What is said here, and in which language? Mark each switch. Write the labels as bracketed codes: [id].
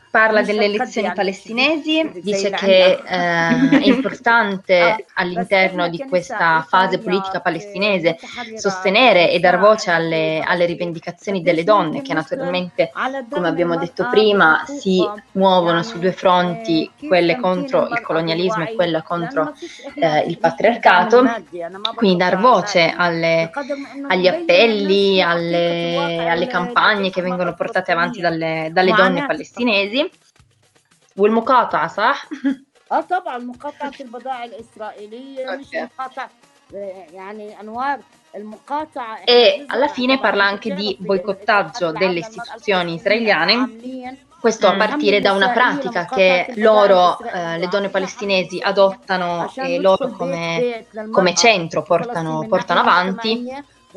[it] Parla delle elezioni palestinesi, dice che è importante all'interno di questa fase politica palestinese sostenere e dar voce alle rivendicazioni delle donne, che naturalmente, come abbiamo detto prima, si muovono su due fronti, quelle contro il colonialismo e quella contro il patriarcato, quindi dar voce agli appelli, alle campagne che vengono portate avanti dalle donne palestinesi. [ar] والمقاطعة صح؟ اه طبعا مقاطعة البضائع الإسرائيلية مش مقاطعة يعني أنوار [it] E alla fine parla anche di boicottaggio delle istituzioni israeliane, questo a partire da una pratica che loro, le donne palestinesi, adottano e loro come centro portano avanti.